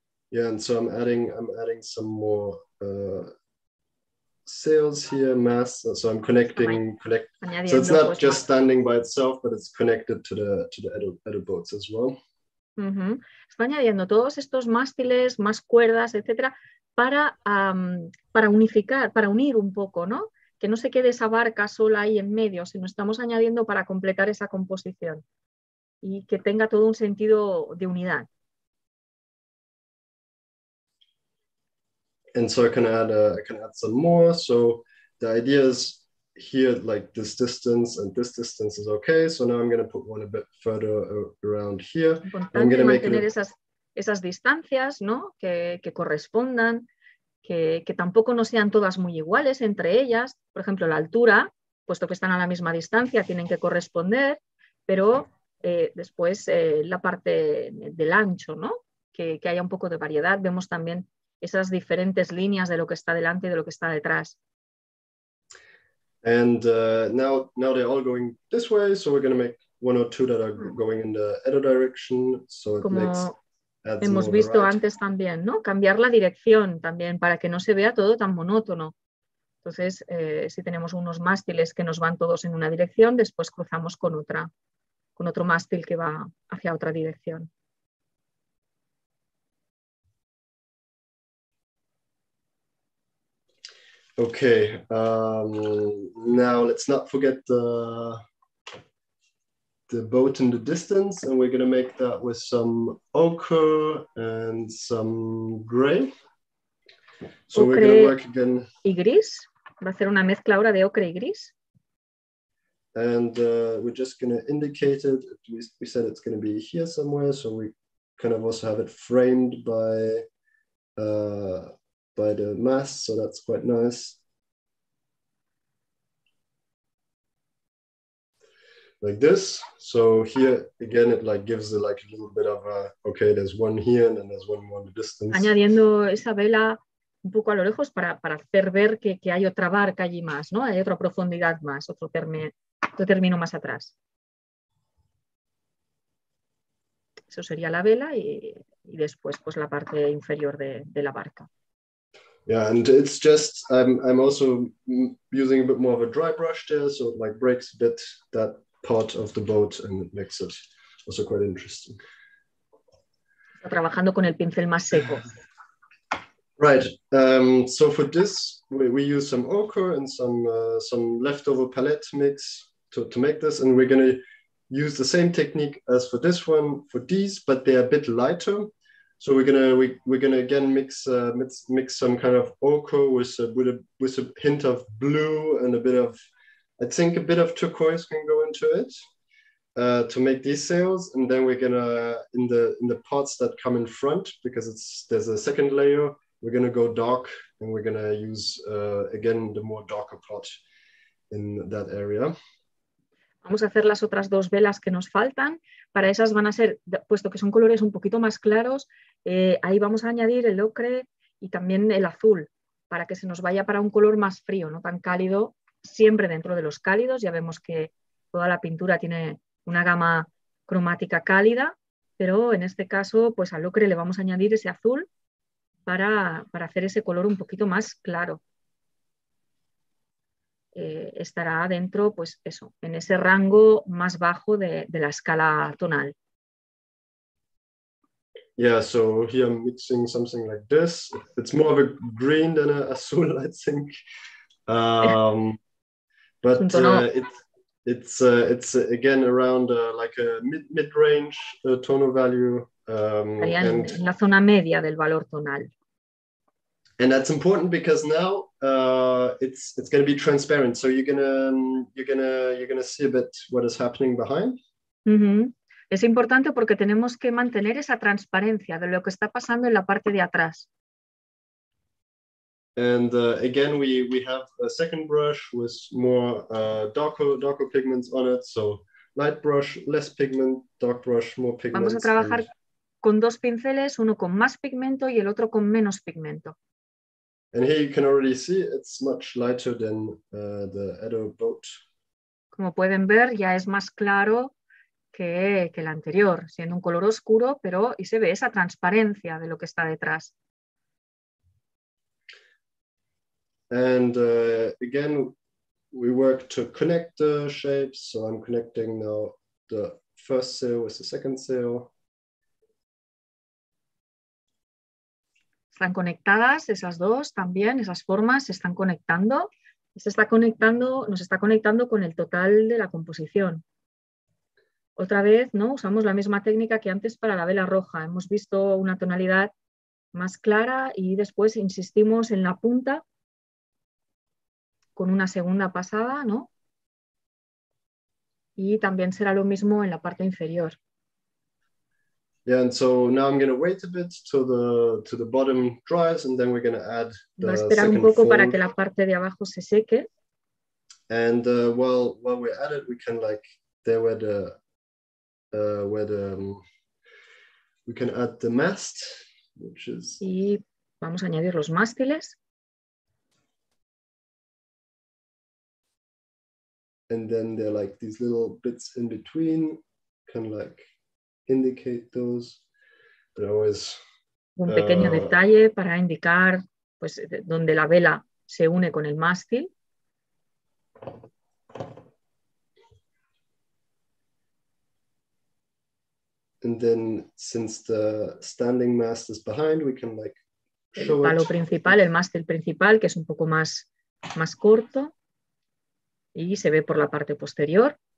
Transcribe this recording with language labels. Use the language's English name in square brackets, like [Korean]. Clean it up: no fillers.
[English] Yeah, and so I'm adding some more sails here, masts. So I'm connecting. So it's not just standing by itself, but it's connected to the other boats as well. Mm-hmm. [Spanish] Está añadiendo todos estos mástiles, más cuerdas, etcétera, para unificar, para unir un poco, ¿no? Que no se quede esa barca sola ahí en medio, sino estamos añadiendo para completar esa composición y que tenga todo un sentido de unidad. [English] And so I can add some more. So the idea is here, like this distance and this distance is okay. So now I'm going to put one a bit further around here. [Spanish] Importante [English] I'm going to [Spanish] mantener [English] make [Spanish] esas distancias, ¿no? Que correspondan, que tampoco no sean todas muy iguales entre ellas. Por ejemplo, la altura, puesto que están a la misma distancia, tienen que corresponder. Pero después la parte del ancho, ¿no? Que haya un poco de variedad. Vemos también esas diferentes líneas de lo que está delante y de lo que está detrás. [English] And now they're all going this way, so we're going to make one or two that are going in the other direction. So it [Spanish] Como [English] makes, [Spanish] hemos visto antes también, ¿no? Cambiar la dirección también para que no se vea todo tan monótono. Entonces, si tenemos unos mástiles que nos van todos en una dirección, después cruzamos con otro mástil que va hacia otra dirección. [English] Okay, now let's not forget the boat in the distance, and we're going to make that with some ochre and some gray. So ocre, we're going to work again. [Spanish] Y gris. Va a hacer una mezcla ahora de ocre y gris. [English] And we're just going to indicate it. We said it's going to be here somewhere, so we kind of also have it framed by the mass, so that's quite nice. Like this. So here again, it like gives it like a little bit of a okay. There's one here, and then there's one more in the distance. [Spanish] Añadiendo esa vela un poco a lo lejos para hacer ver que hay otra barca allí más, ¿no? Hay otra profundidad más, otro término más atrás. Eso sería la vela y después pues la parte inferior de la barca. [English] Yeah, and it's just I'm also using a bit more of a dry brush there, so it like breaks a bit that part of the boat and it makes it also quite interesting. [Spanish] Está trabajando con el pincel más seco. [English] Right. So for this, we use some ochre and some leftover palette mix to make this, and we're going to use the same technique as for this one for these, but they're a bit lighter. So we're gonna again mix some kind of ochre with a hint of blue and a bit of turquoise can go into it to make these sails. And then we're gonna in the parts that come in front, because there's a second layer, we're gonna go dark, and we're gonna use again the more darker part in that area. [Spanish] Vamos a hacer las otras dos velas que nos faltan. Para esas van a ser, puesto que son colores un poquito más claros, ahí vamos a añadir el ocre y también el azul, para que se nos vaya para un color más frío, no tan cálido, siempre dentro de los cálidos. Ya vemos que toda la pintura tiene una gama cromática cálida, pero en este caso, pues al ocre le vamos a añadir ese azul para hacer ese color un poquito más claro. Estará dentro, pues eso, en ese rango más bajo de la escala tonal. [English] Yeah, so here I'm mixing something like this. It's more of a green than an azul, I think. But it's again around like a mid-range tonal value. [Spanish] En la zona media del valor tonal. [English] And that's important because now it's going to be transparent. So you're gonna see a bit what is happening behind. Mm-hmm. [Spanish] Es importante porque tenemos que mantener esa transparencia de lo que está pasando en la parte de atrás. [English] And again, we have a second brush with more darker pigments on it. So light brush, less pigment, dark brush, more pigments. [Spanish] Vamos a trabajar con dos pinceles, uno con más pigmento y el otro con menos pigmento. [English] And here you can already see it's much lighter than the Edo boat. [Spanish] Como pueden ver, ya es más claro que el anterior, siendo un color oscuro, pero y se ve esa transparencia de lo que está detrás. [English] And again, we work to connect the shapes. So I'm connecting now the first sail with the second sail. [Spanish] Están conectadas esas dos también, esas formas se están conectando. Nos está conectando con el total de la composición. Otra vez, ¿no? Usamos la misma técnica que antes para la vela roja. Hemos visto una tonalidad más clara y después insistimos en la punta con una segunda pasada, ¿no? Y también será lo mismo en la parte inferior. [English] Yeah, and so now I'm going to wait a bit till the bottom dries, and then we're going to add the second [Spanish] foam. Va a esperar un poco para que la parte de abajo se seque. [English] And while we're at it, we can like there where the we can add the mast, which is. [Spanish] Y vamos a añadir los mástiles. [English] And then there are like these little bits in between, kind of like. Indicate those. But always, [Spanish] un pequeño detalle para indicar pues donde la vela se une con el mástil. [English] And then since the standing mast is behind, we can like show [Spanish] el palo principal, el mástil principal, que es un poco más corto y se ve por la parte posterior.